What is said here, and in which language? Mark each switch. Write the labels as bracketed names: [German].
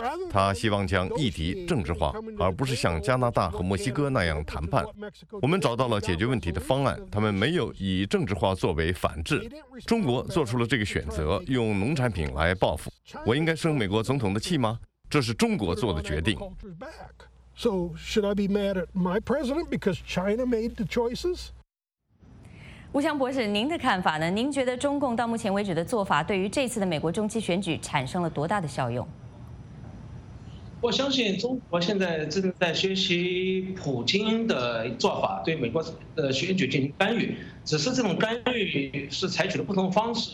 [Chinese] 他希望将议题政治化，而不是像加拿大和墨西哥那样谈判。我们找到了解决问题的方案，他们没有以政治化作为反制。中国做出了这个选择，用农产品来报复。我应该生美国总统的气吗？这是中国做的决定。 [English] So should I be mad at my president because China made the choices? [Chinese] 吴强博士，您的看法呢？您觉得中共到目前为止的做法对于这次的美国中期选举产生了多大的效用？我相信中国现在正在学习普京的做法，对美国的选举进行干预，只是这种干预是采取了不同方式。